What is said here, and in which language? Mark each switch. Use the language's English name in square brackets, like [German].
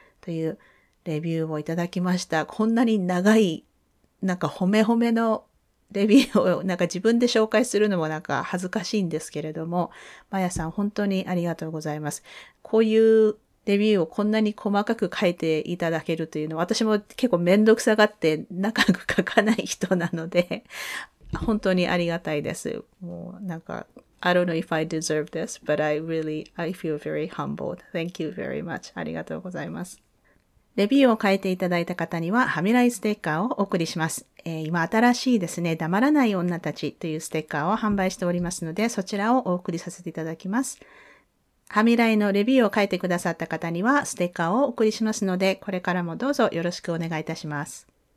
[Japanese] というレビューをいただきました。こんなに長い、なんか褒め褒めのレビューをなんか自分で紹介するのもなんか恥ずかしいんですけれども、マヤさん本当にありがとうございます。こういうレビューをこんなに細かく書いていただけるというのは、私も結構めんどくさがって長く書かない人なので、本当にありがたいです。もうなんか、 [English] I don't know if I deserve this, but I feel very humbled. Thank you very much. [Japanese] ありがとうございます。レビューを書いていただいた方には、はみらいステッカーをお送りします。今新しいですね、黙らない女たちというステッカーを販売しておりますので、そちらをお送りさせていただきます。はみらいのレビューを書いてくださった方にはステッカーをお送りしますので、これからもどうぞよろしくお願いいたします。